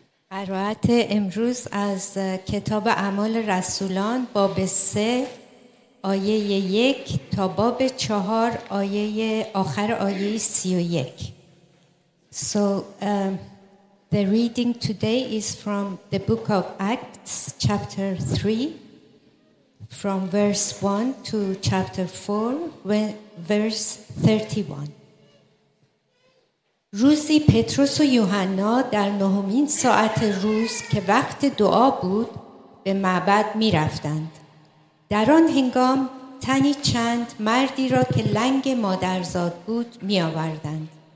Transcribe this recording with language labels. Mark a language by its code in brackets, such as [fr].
[fa] قرائت امروز از کتاب اعمال رسولان باب 3 آیه 1 تا باب 4 آیه آخر آیه 31. [en] So the reading today is from the book of Acts chapter 3 from verse 1 to chapter 4 verse 31. [fa] روزی پتروس و یوحنا در نهمین ساعت روز که وقت دعا بود به معبد می رفتند. در آن هنگام تنی چند مردی را که لنگ مادرزاد بود می آوردند.